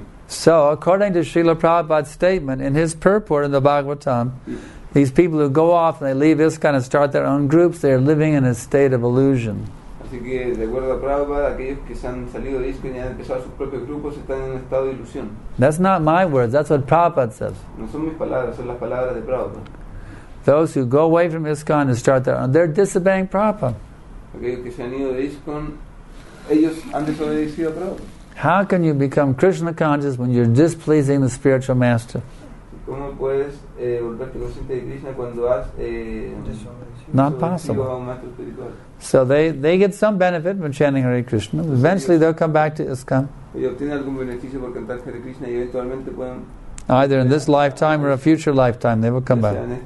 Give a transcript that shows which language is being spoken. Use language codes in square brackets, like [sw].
[en] So, according to Srila Prabhupada's statement, in his purport in the Bhagavatam, these people who go off and they leave ISKCON and start their own groups, they're living in a state of illusion. [es] Así que, de acuerdo a Prabhupada, aquellos que se han salido de ISKCON y han empezado sus propios grupos están en un estado de ilusión. [en] That's not my words, that's what Prabhupada says. [es] No son mis palabras, son las palabras de Prabhupada. [en] Those who go away from ISKCON and start their own, they're disobeying Prabhupada. [es] Aquellos que se han ido de ISKCON, ellos han desobedecido a Prabhupada. [en] How can you become Krishna conscious when you're displeasing the spiritual master? [es] ¿Cómo puedes volverte consciente de Krishna cuando has [en] Not possible. So they get some benefit from chanting Hare Krishna. Eventually they'll come back to ISKCON. Either in this lifetime or a future lifetime, they will come back.